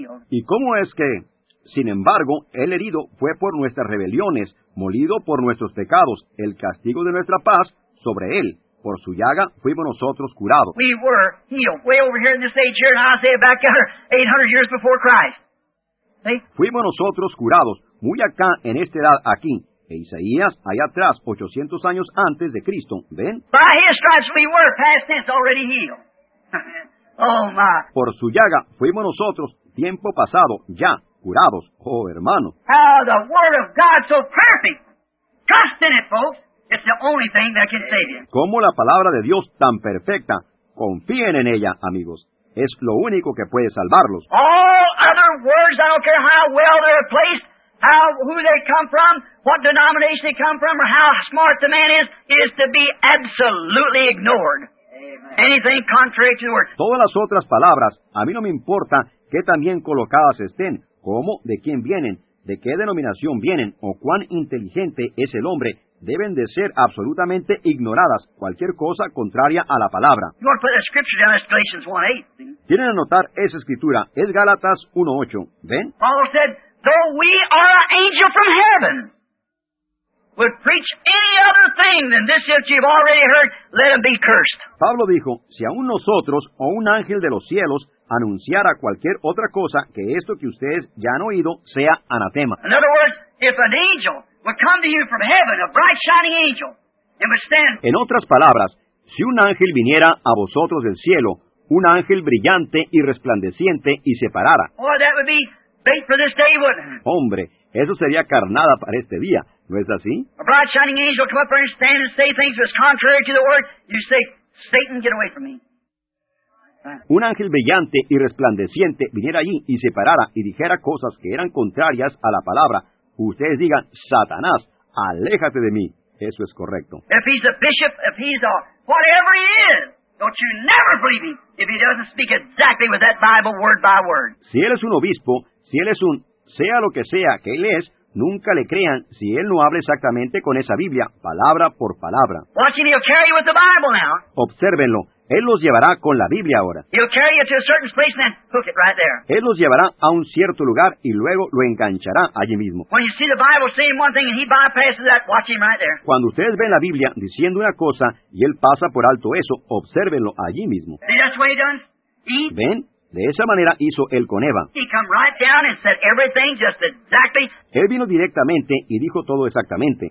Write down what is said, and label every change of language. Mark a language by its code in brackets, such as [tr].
[es] Y cómo es que, sin embargo, el herido fue por nuestras rebeliones, molido por nuestros pecados, el castigo de nuestra paz sobre él. Por su llaga fuimos nosotros curados. [en] We were healed way over here in this age here in Isaiah back there 800 years before Christ. [es] Fuimos nosotros curados, muy acá en esta edad aquí, e Isaías allá atrás, 800 años antes de Cristo, ¿ven? [en] By his stripes we were past tense already healed. Oh, my. [es] Por su llaga fuimos nosotros, tiempo pasado, ya, curados, oh, hermano. [en] How the word of God so perfect. Trust in it, folks. It's the only thing that can save you. [es] Como la palabra de Dios tan perfecta. Confíen en ella, amigos. Es lo único que puede salvarlos. [en] All other words, I don't care how well they're placed, how, who they come from, what denomination they come from, or how smart the man is to be absolutely ignored. Anything contrary to the word. [es] Todas las otras palabras, a mí no me importa qué tan bien colocadas estén, cómo, de quién vienen, de qué denominación vienen, o cuán inteligente es el hombre, deben de ser absolutamente ignoradas, cualquier cosa contraria a la palabra. [en] You want to put that scripture down, that's Galatians 1:8. [es] Quieren anotar esa escritura, es Gálatas 1:8. ¿Ven? [en] Paul said, though we are an angel from heaven, would preach any other thing than this which you've already heard, let him be cursed. [es] Pablo dijo, si aún nosotros o un ángel de los cielos anunciara cualquier otra cosa que esto que ustedes ya han oído, sea anatema. [en] In other words, if an angel would come to you from heaven, a bright shining angel, and would stand. [es] En otras palabras, si un ángel viniera a vosotros del cielo, un ángel brillante y resplandeciente, y se parara. [en] Oh, that would be bait for this day, wouldn't it? [es] Hombre, eso sería carnada para este día. ¿No es así? [en] A bright shining angel come up there and stand and say things that's contrary to the word. You say, Satan, get away from me. [es] Un ángel brillante y resplandeciente viniera allí y se parara y dijera cosas que eran contrarias a la palabra. Ustedes digan, Satanás, aléjate de mí. Eso es correcto. [en] If he's a bishop, if he's a whatever he is, don't you never believe him if he doesn't speak exactly with that Bible word by word. [es] Si él es un obispo, si él es un, sea lo que sea que él es, nunca le crean si él no habla exactamente con esa Biblia, palabra por palabra. [en] Watch him, he'll carry you with the Bible now. [es] Obsérvenlo. Él los llevará con la Biblia ahora. [en] He'll carry you to a certain place and then hook it right there. [es] Él los llevará a un cierto lugar y luego lo enganchará allí mismo. [en] When you see the Bible saying one thing and he bypasses that, watch him right there. [es] Cuando ustedes ven la Biblia diciendo una cosa y él pasa por alto eso, obsérvenlo allí mismo. [en] See, that's what he done? [es] ¿Ven? De esa manera hizo él con Eva. [en] He come right down and said everything just exactly. [es] Él vino directamente y dijo todo exactamente.